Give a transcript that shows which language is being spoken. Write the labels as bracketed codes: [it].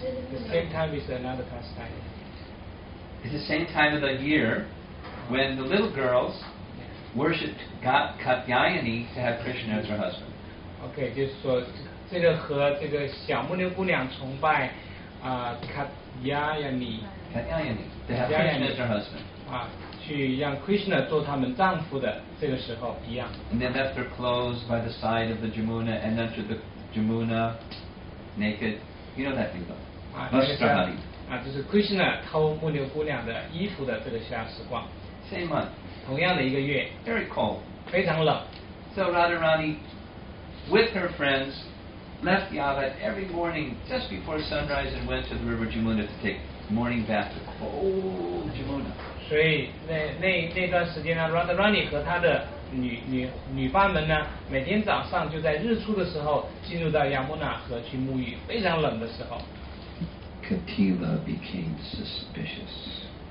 [en] The same time is another pastime. It's the same time of the year when the little girls worshipped Katyayani to have Krishna as her husband. [zh] Okay, 就是说，这个和这个小牟尼姑娘崇拜 Katyayani. [en] Katyayani to have Krishna as her husband. [zh] 去让 Krishna 做他们丈夫的这个时候一样. [en] And they left their clothes by the side of the Jamuna and entered the Jamuna naked. You know that thing though. Mustrahani. [zh] 就是 Krishna 偷牟尼姑娘的衣服的这个时光. [en] Same month. [zh] 同样的一个月, [en] very cold, [zh] 非常冷. [en] So Radharani, with her friends, left Yavat every morning just before sunrise and went to the river Jamuna to take morning bath to cold Jamuna. [zh] 所以那段时间呢, Radharani 和她的女伴们呢, 每天早上就在日出的时候, 进入到 Yamuna 河去沐浴, 非常冷的时候. [en] Katila became suspicious.